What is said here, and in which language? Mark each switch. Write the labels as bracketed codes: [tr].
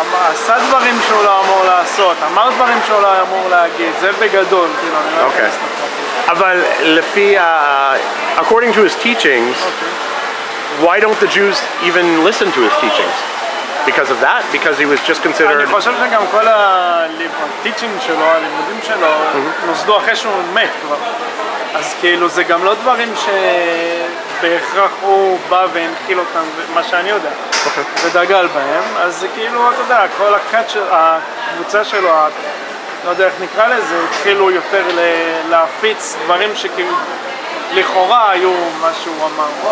[he] עשה דברים שהוא לא אמור לעשות, אמר דברים שהוא לא אמור להגיד, זה בגדול, אבל לפי [en] according to his teachings, why don't the Jews even listen to his teachings? Because of that? Because he was just considered... [he] אני חושב שגם כל הטיצ'ינג שלו, הלימודים שלו, נוסדו אחרי שהוא מת כבר. אז כאילו זה גם לא דברים שבהכרח הוא בא והנחיל אותם, מה שאני יודע, ודגל בהם. אז כאילו, אתה יודע, כל הקבוצה שלו, לא יודע איך נקרא לזה, התחילו יותר להפיץ דברים שכאילו לכאורה היו מה שהוא אמר.